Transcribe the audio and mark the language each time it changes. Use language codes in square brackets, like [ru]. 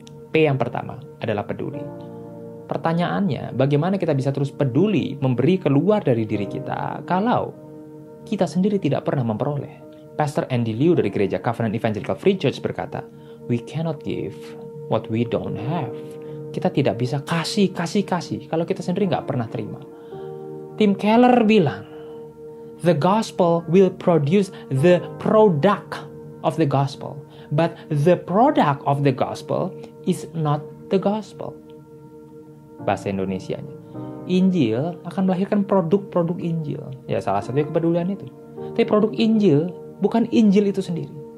[id] P yang pertama adalah peduli. Pertanyaannya, bagaimana kita bisa terus peduli memberi keluar dari diri kita kalau kita sendiri tidak pernah memperoleh? [en] Pastor Andy Liu [id] dari gereja [en] Covenant Evangelical Free Church [id] berkata, [en] "We cannot give what we don't have." [id] Kita tidak bisa kasih kalau kita sendiri nggak pernah terima. [en] Tim Keller [id] bilang, [en] "The gospel will produce the product of the gospel, but the product of the gospel is not the gospel." [id] Bahasa Indonesianya, Injil akan melahirkan produk-produk Injil. Ya, salah satunya kepedulian itu. Tapi produk Injil bukan Injil itu sendiri.